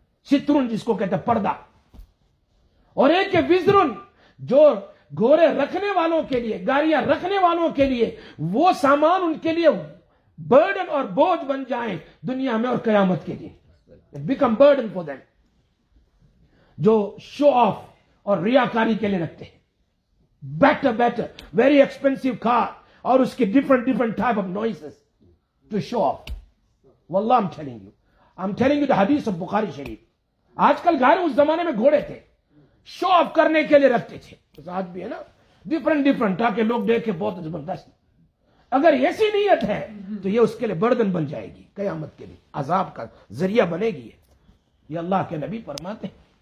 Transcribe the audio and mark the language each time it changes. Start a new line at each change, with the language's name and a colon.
Urdu: سترن جس کو کہتے ہیں پردہ. اور ایک وزرن جو گھوڑے رکھنے والوں کے لیے، گاڑیاں رکھنے والوں کے لیے، وہ سامان ان کے لیے برڈن اور بوجھ بن جائیں دنیا میں اور قیامت کے لیے،
English: become burden for them,
Urdu: جو شو آف اور ریاکاری کے لیے رکھتے ہیں.
English: better very expensive car
Urdu: اور اس کے
English: Different type of noises to show off. واللہ I am telling you the Hadith of Bukhari Sharif.
Urdu: آج کل گاڑی اس زمانے میں گھوڑے تھے، شو آف کرنے کے لیے رکھتے تھے، آج بھی ہے نا، ڈفرنٹ تاکہ لوگ دیکھ کے بہت زبردست. اگر ایسی نیت ہے تو یہ اس کے لیے بردن بن جائے گی قیامت کے لیے، عذاب کا ذریعہ بنے گی. یہ اللہ کے نبی فرماتے ہیں.